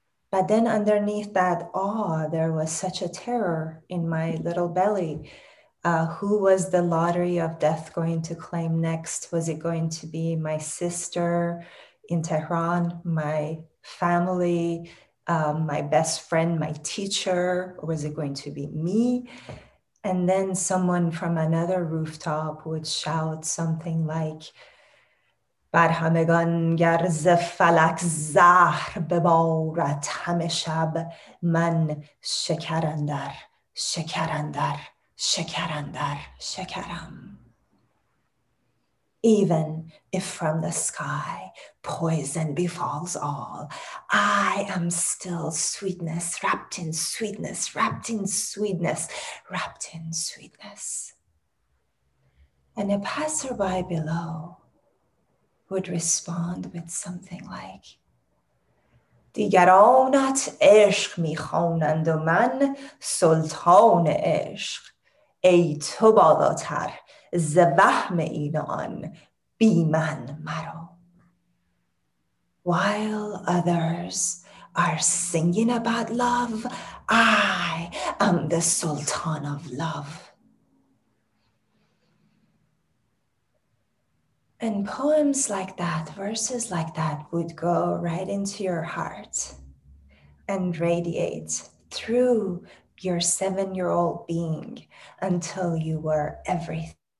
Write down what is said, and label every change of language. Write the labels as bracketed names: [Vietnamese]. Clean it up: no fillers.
[English] But then underneath that awe, there was such a terror in my little belly. Who was the lottery of death going to claim next? Was it going to be my sister in Tehran, my family, my best friend, my teacher? Or was it going to be me? And then someone from another rooftop would shout something like, [Persian] بر همگان گرز فلک زهر ببارد همه شب من شکر اندر شکر اندر شکر اندر شکرم. [English] Even if from the sky poison befalls all, I am still sweetness wrapped in sweetness wrapped in sweetness wrapped in sweetness. And a passerby below would respond with something like, [Persian] دیگرانت عشق می خوانند و من سلطان عشق. ای تو بالاتر ز وهم این آن بی من مرو. [English] While others are singing about love, I am the sultan of love. And poems like that, verses like that, would go right into your heart and radiate through your seven-year-old being until you were everything.